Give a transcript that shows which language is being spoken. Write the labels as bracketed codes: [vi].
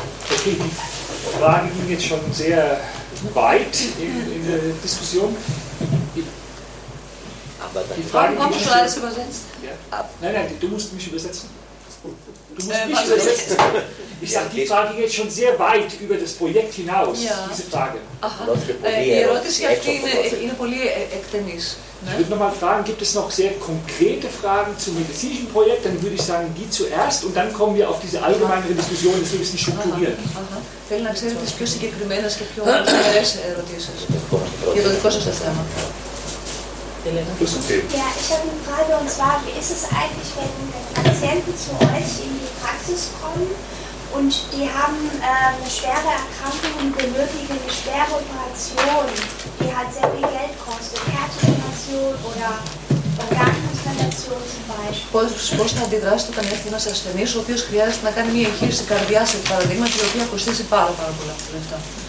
[de] Okay, die Frage ging jetzt schon sehr weit in der Diskussion. Die Frage, haben wir schon alles übersetzt? Ja. Nein, nein, du musst mich übersetzen. Du musst mich übersetzen. Ich sage, die Frage geht schon sehr weit über das Projekt hinaus, ja. Diese Frage. Aha. [el] Die Ερώτηση αυτή είναι πολύ εκτενής. [de] Ich würde nochmal fragen, gibt es noch sehr konkrete Fragen zum medizinischen Projekt? Dann würde ich sagen, die zuerst und dann kommen wir auf diese allgemeinere Diskussion, dass wir ein bisschen strukturieren. [el] Θέλω να ξέρω τις πιο συγκεκριμένες και πιο σοβαρές ερωτήσεις για το δικό σας θέμα. [de] Ja, ich habe eine Frage, und zwar, wie ist es eigentlich, wenn Patienten zu euch in die Praxis kommen und die haben eine schwere Erkrankung und benötigen eine schwere Operation, die halt sehr viel Geld kostet, Herztransplantation oder Organtransplantation zum Beispiel. [el] Πώς θα αντιδράσετε όταν έρθει ένας ασθενής, ο οποίος χρειάζεται να κάνει μια εγχείρηση καρδιάς, για παράδειγμα, η οποία κοστίζει πάρα πάρα πολλά λεφτά.